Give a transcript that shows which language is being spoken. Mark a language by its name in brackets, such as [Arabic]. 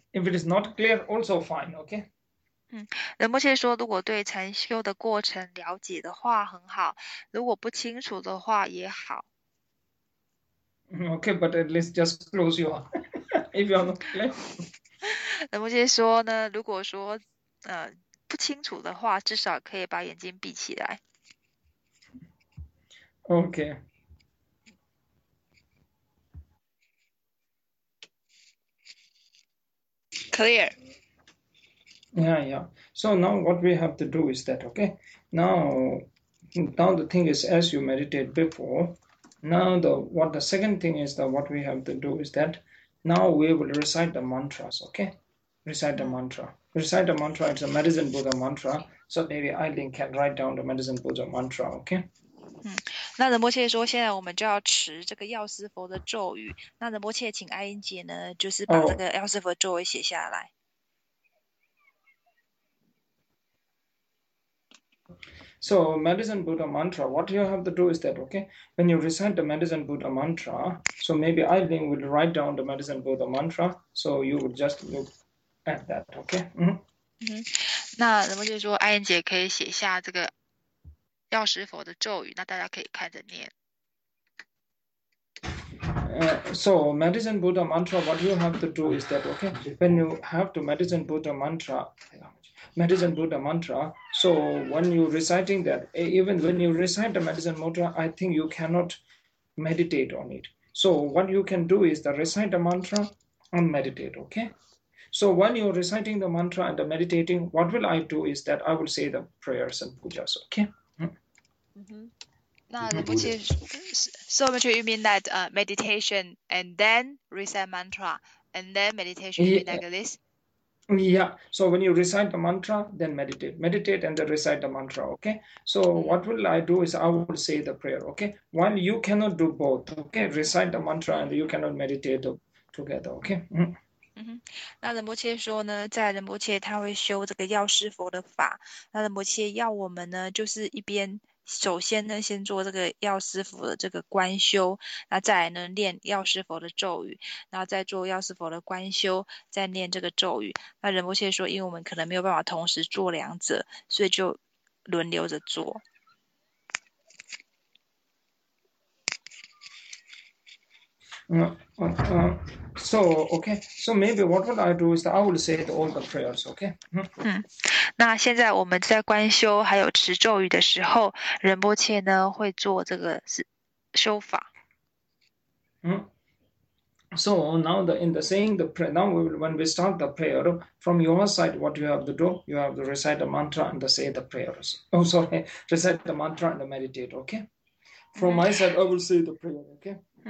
[English] If it is not clear, also fine, okay? [Chinese] 仁波切说，如果对禅修的过程了解的话很好，如果不清楚的话也好。 [English] Okay, but at least just close your eyes. if you're not clear. [Chinese] 能不能说呢，如果说不清楚的话，至少可以把眼睛闭起来。 [English] OK。 Clear. Yeah, yeah. So now what we have to do is that, okay? Now the thing is, as you meditate before, now the second thing is that what we have to do is that now we will recite the mantras, okay? Recite the mantra. Recite the mantra, it's a medicine Buddha mantra. So maybe Aileen can write down the medicine Buddha mantra, okay? [Chinese] 那仁波切说现在我们就要持这个药师佛的咒语，那仁波切请阿英姐呢就是把这个药师佛咒语写下来。 [English] So medicine Buddha mantra, what you have to do is that, okay, when you recite the medicine Buddha mantra, so maybe Aileen will write down the medicine Buddha mantra, so you would just look at that, okay? [Chinese] 那仁波切说阿英姐可以写下这个药师佛的咒语，那大家可以看着念。 [English] So medicine Buddha mantra, what you have to do is that, okay? When you have to medicine Buddha mantra, medicine Buddha mantra. So when you're reciting that, even when you recite the medicine mantra, I think you cannot meditate on it. So what you can do is that recite the mantra and meditate, okay? So when you're reciting the mantra and the meditating, what will I do is that I will say the prayers and pujas, okay? So Mr. You mean that meditation and then recite mantra and then meditation, you mean like this? Yeah. So when you recite the mantra, then meditate. Meditate and then recite the mantra, okay? So what will I do is I will say the prayer, okay? While you cannot do both, okay? Recite the mantra and you cannot meditate together, okay? [Chinese] 那仁波切说呢，在仁波切他会修这个药师佛的法，那仁波切要我们呢，就是一边首先呢，先做这个药师佛的这个观修，那再来呢念药师佛的咒语，然后再做药师佛的观修，再念这个咒语。那仁波切说，因为我们可能没有办法同时做两者，所以就轮流着做。 [English] So maybe what would I do is that I would say all the prayers, okay? [Chinese] 那现在我们在观修还有持咒语的时候，仁波切呢会做这个修法。 [English] So now when we start the prayer from your side, what you have to do, you have to recite the mantra and say the prayers. Oh, sorry, recite the mantra and meditate, okay? From my side, I will say the prayer, okay?